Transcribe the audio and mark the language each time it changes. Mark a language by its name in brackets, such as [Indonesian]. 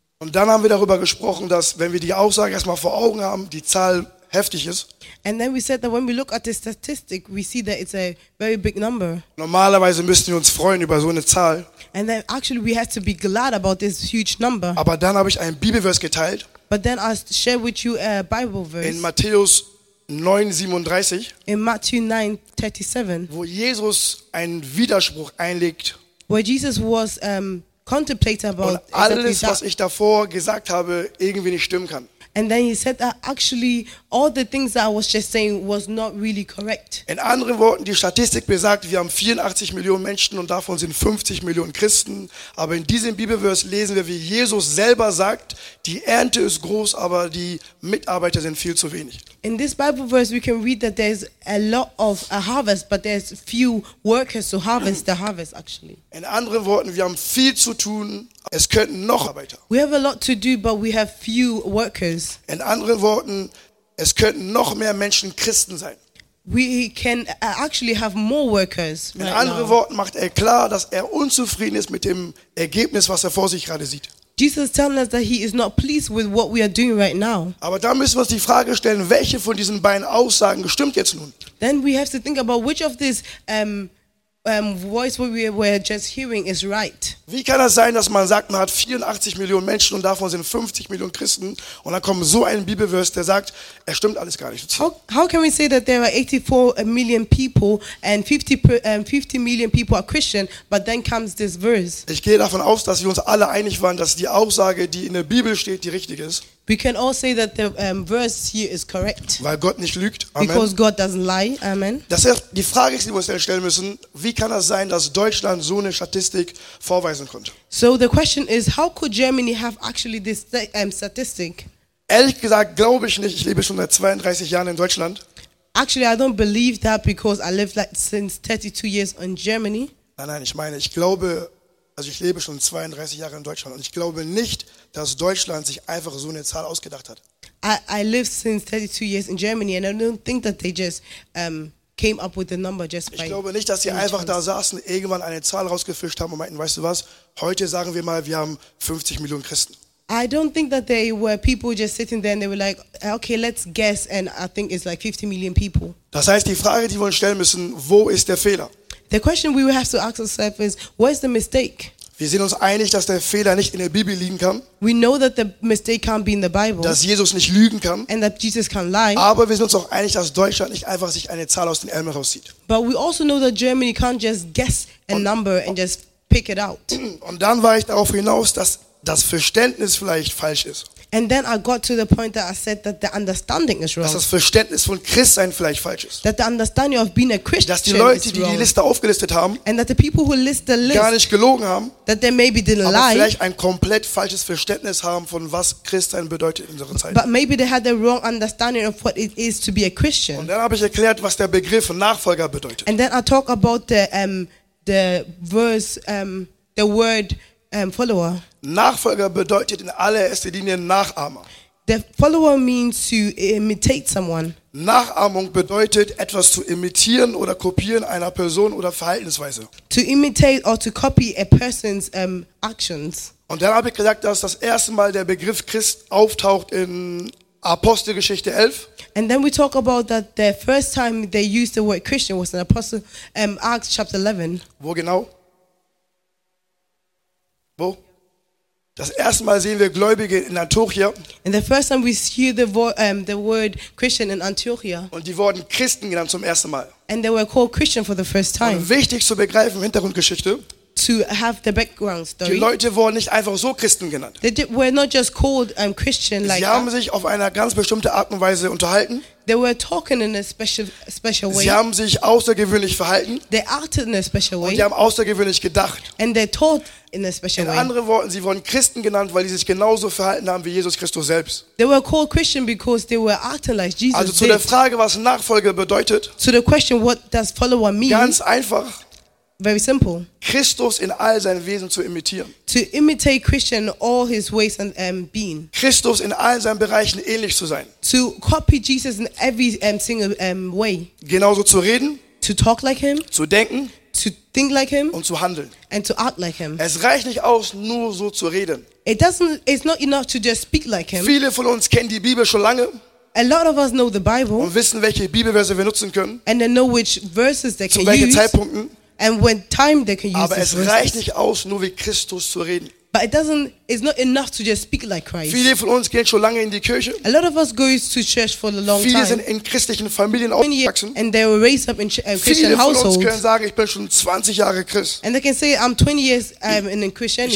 [German] Und dann haben wir darüber gesprochen, dass wenn wir die Aussage erstmal vor Augen haben, die Zahl heftig ist. [English] And then we said that when we look at the statistic, we see that it's a very big number. [German] Normalerweise müssten wir uns freuen über so eine Zahl. [English] And then actually we have to be glad about this huge number. [German] Aber dann habe ich einen Bibelvers geteilt. [English] But then I share with you a Bible verse. [German] In Matthäus 9:37. [English] In Matthew 9:37. [German] Wo Jesus einen Widerspruch einlegt. [English] Where Jesus was contemplating about [German] und alles, was ich davor gesagt habe, irgendwie nicht stimmen kann. [English] And then he said that actually all the things that I was just saying was not really correct. [German] In anderen Worten, die Statistik besagt, wir haben 84 Millionen Menschen und davon sind 50 Millionen Christen. Aber in diesem Bibelvers lesen wir, wie Jesus selber sagt, die Ernte ist groß, aber die Mitarbeiter sind viel zu wenig. [English] In this Bible verse we can read that there's a lot of a harvest, but there's few workers to harvest the harvest actually. [German] In anderen Worten, wir haben viel zu tun. Es könnten noch Arbeiter. [English] We have a lot to do, but we have few workers. [German] In anderen Worten, es könnten noch mehr Menschen Christen sein. [English] We can actually have more workers. [German] In anderen Worten macht er klar, dass er unzufrieden ist mit dem Ergebnis, was er vor sich gerade sieht. [English] Jesus telling us that he is not pleased with what we are doing right now. [German] Aber da müssen wir uns die Frage stellen, welche von diesen beiden Aussagen stimmt jetzt nun? [English] Then we have to think about which of these voice what we were just hearing is right. [German] Wie kann das sein, dass man sagt, man hat 84 Millionen Menschen und davon sind 50 Millionen Christen und dann kommt so ein Bibelvers, der sagt, es stimmt alles gar nicht. [English] How can we say that there are 84 million people and 50 million people are Christian, but then comes this verse? [German] Ich gehe davon aus, dass wir uns alle einig waren, dass die Aussage, die in der Bibel steht, die richtige ist. [English] We can all say that the verse here is correct. [German] Weil Gott nicht lügt. Amen. [English] Because God doesn't lie. Amen. [German] Das ist die Frage, die wir uns stellen müssen. Wie kann das sein, dass Deutschland so eine Statistik vorweisen konnte? [English] So the question is, how could Germany have actually this statistic? [German] Ehrlich gesagt glaube ich nicht. Ich lebe schon seit 32 Jahren in Deutschland. [English] Actually, I don't believe that because I live like since 32 years in Germany. [German] Nein, ich meine, ich glaube. Also ich lebe schon 32 Jahre in Deutschland und ich glaube nicht, dass Deutschland sich einfach so eine Zahl ausgedacht hat. [English] I live since 32 years in Germany and I don't think that they just came up with the number just by. [German] Ich glaube nicht, dass sie einfach da saßen, irgendwann eine Zahl rausgefischt haben und meinten, weißt du was, heute sagen wir mal, wir haben 50 Millionen Christen. [English] I don't think that they were people just sitting there and they were like, okay, let's guess and I think it's like 50 million people. [German] Das heißt, die Frage, die wir uns stellen müssen, wo ist der Fehler? [English] The question we have to ask ourselves is, where's the mistake? [German] Wir sind uns einig, dass der Fehler nicht in der Bibel liegen kann. [English] We know that the mistake can't be in the Bible. [German] Dass Jesus nicht lügen kann. [English] And that Jesus can't lie. [German] Aber wir sind uns auch einig, dass Deutschland nicht einfach sich eine Zahl aus den Ärmel rauszieht. [English] But we also know that Germany can't just guess a number and just pick it out. [German] Und dann war ich darauf hinaus, dass das Verständnis vielleicht falsch ist. [English] And then I got to the point that I said that the understanding is wrong. [German] Dass das Verständnis von Christsein vielleicht falsch ist. [English] That the understanding of being a Christian [German] dass die Leute, [English] is [German] die die Liste aufgelistet haben, [English] and that the people who list the list [German] gar nicht gelogen haben, [English] that they maybe didn't [German] aber [English] lie, [German] vielleicht ein komplett falsches Verständnis haben von was Christsein bedeutet in unserer Zeit. [English] But maybe they had the wrong understanding of what it is to be a Christian. [German] Und dann habe ich erklärt, was der Begriff Nachfolger bedeutet. [English] And then I talk about the verse the word follower. [German] Nachfolger bedeutet in allererster Linie Nachahmer. [English] The follower means to imitate someone. [German] Nachahmung bedeutet etwas zu imitieren oder kopieren einer Person oder Verhaltensweise. [English] To imitate or to copy a person's actions. [German] Und dann habe ich gesagt, dass das erste Mal der Begriff Christ auftaucht in Apostelgeschichte 11. [English] And then we talk about that the first time they used the word Christian was in Apostle Acts chapter 11. [German] Wo genau? Wo? Das erste Mal sehen wir Gläubige in Antiochia. [English] And the first time we hear the word Christian in Antiochia. [German] Und die wurden Christen genannt zum ersten Mal. [English] And they were called Christian for the first time. [German] Und wichtig zu begreifen, Hintergrundgeschichte. [English] To have the background story. [German] Die Leute wurden nicht einfach so Christen genannt. [English] They were not just called Christian [German] Sie [English] like [German] haben [English] that. [German] Sich auf eine ganz bestimmte Art und Weise unterhalten. [English] They were talking in a special way. [German] Sie haben sich außergewöhnlich verhalten. [English] They acted in a special way. [German] Und sie haben außergewöhnlich gedacht. [English] And they thought in a special in way. [German] In anderen Worten, sie wurden Christen genannt, weil sie sich genauso verhalten haben wie Jesus Christus selbst. [English] They were called Christian because they were acting like Jesus. [German] Also zu der Frage, was Nachfolger bedeutet. [English] To the question, what does follower mean? [German] Ganz einfach. [English] Very simple. [German] Christus in all seinem Wesen zu imitieren. [English] To imitate Christian all his ways and being. [German] Christus in all seinen Bereichen ähnlich zu sein. [English] To copy Jesus in every single way. [German] Genauso zu reden. [English] To talk like him. [German] Zu denken. [English] To think like him. [German] Und zu handeln. [English] And to act like him. [German] Es reicht nicht aus, nur so zu reden. [English] It's not enough to just speak like him. [German] Viele von uns kennen die Bibel schon lange. [English] A lot of us know the Bible. [German] Und wissen, welche Bibelverse wir nutzen können. [English] And they know which verses they can use. [German] Zu welchen Zeitpunkten. [English] And when time they can use [German] Aber es reicht nicht aus, nur wie Christus zu reden. [English] But it's not enough to just speak like Christ. [German] Viele von uns gehen schon lange in die Kirche. [English] A lot of us go to church for a long [German] Viele [English] time. [German] Viele sind in christlichen Familien aufgewachsen. [English] And they were raised up in Christian [German] Viele von [English] households. [German] Uns können sagen, ich bin schon 20 Jahre Christ. [English] And they can say, I'm 20 years in Christianity.